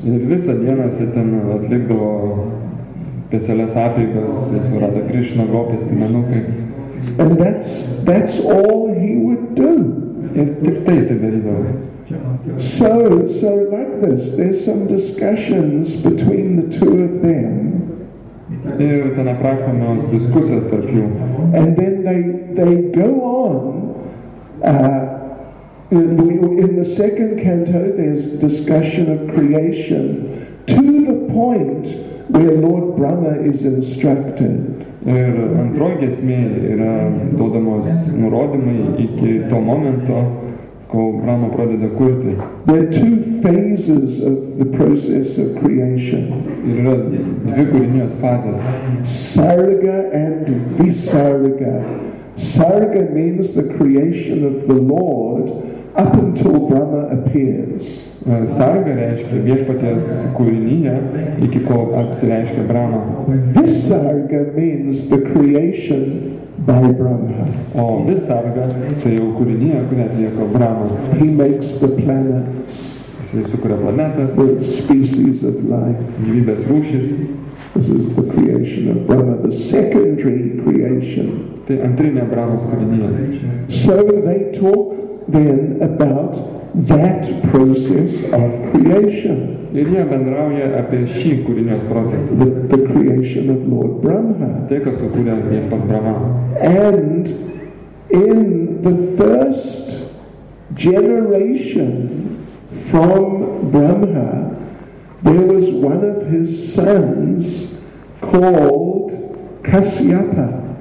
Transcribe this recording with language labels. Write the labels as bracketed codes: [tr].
[lt] Ir visą dieną jis ten atlikdavo specialias apeigas su Radha Krishna, gopis, piemenukai. [en] And that's all he would do. [lt] Ir tik tai jis darydavo. [en] So like this, there's some discussions between the two of them. [lt] Ir ten aprašomos diskusijos tarp jų. [en] And then they go on. In the second canto, there's discussion of creation to the point where Lord Brahma is instructed. [lt] Ir antroji giesmė yra duodamos nurodymai iki to momento, kol Brahma pradeda kurti. [en] There are two phases of the process of creation. [lt] Ir yra dvi kūrinijos fazės. [en] Sarga and Visarga. Sarga means the creation of the Lord up until Brahma appears. [lt] Sarga reiškia viešpaties kūrinyje, iki kol apsireiškia Brahma. [en] Visarga means the creation by Brahma. [lt] O Visarga, tai jau kūrinyje, kurį atlieka Brahma. [en] He makes the planets. [lt] Jis sukuria planetas. [en] The species of life. [lt] Gyvybės rūšis. [en] This is the creation of Brahma, the secondary creation. [lt] Tai antrinė Brahmos kūrinyje. [en] So they talk then about that process of creation. [lt] Ir jie bendrauja apie šį kūrinios procesą. [en] The creation of Lord Brahma. [lt] Tai, kas sukūrė viešpats Brahma. [en] And in the first generation from Brahma, there was one of his sons called Kasyapa.